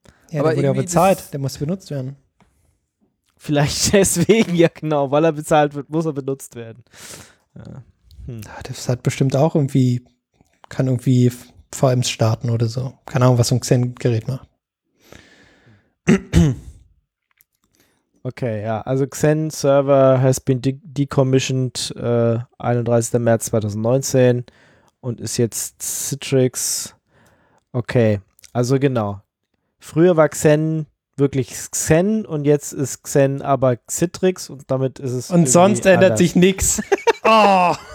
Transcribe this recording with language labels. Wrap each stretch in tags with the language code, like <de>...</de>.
<de>Ja, aber der wurde ja bezahlt, der muss benutzt werden. Vielleicht deswegen, ja genau, weil er bezahlt wird, muss er benutzt werden. Ja. Das hat bestimmt auch irgendwie, kann irgendwie VMs starten oder so. Keine Ahnung, was so ein Xen-Gerät macht. Okay, ja, also</de> <en>Xen Server has been decommissioned 31.</en> <de>März 2019 und ist jetzt Citrix. Okay, also genau. Früher war Xen wirklich Xen und jetzt ist Xen aber Citrix und damit ist es. Und sonst ändert anders. Sich nichts. Oh.</de>